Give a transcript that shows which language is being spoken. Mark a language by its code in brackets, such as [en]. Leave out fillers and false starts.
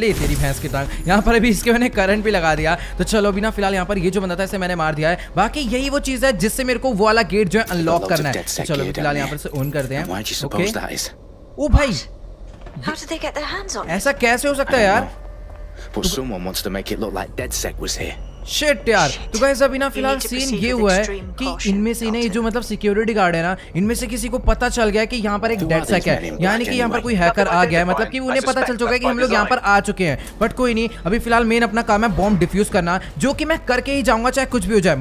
[hi] ले तेरी भैंस की टांग, यहाँ पर अभी इसके मैंने करंट भी लगा दिया। तो चलो अभी ना फिलहाल यहाँ पर ये जो बंदा था इसे मैंने मार दिया है। बाकी यही वो चीज है जिससे मेरे को वो वाला गेट जो है अनलॉक करना है। चलो फिलहाल यहाँ पर से ऑन करते हैं। ओके ओ भाई, ऐसा कैसे हो सकता है यार? [en] But someone wants to make it look like DedSec was here. [hi] Shit यार। तो गाइस अभी ना फिलहाल सीन ये हुआ है कि इनमें से ना ये जो मतलब सिक्योरिटी गार्ड है ना, इनमें से किसी को पता चल गया कि यहाँ पर एक डेड सेक है, यानी कि यहाँ पर कोई हैकर आ गया है, मतलब कि उन्हें पता चल चुका है कि हम लोग यहाँ पर आ चुके हैं। बट कोई नहीं, अभी फिलहाल मेन अपना काम है बॉम्ब डिफ्यूज करना, जो कि मैं करके ही जाऊंगा चाहे कुछ भी हो जाए।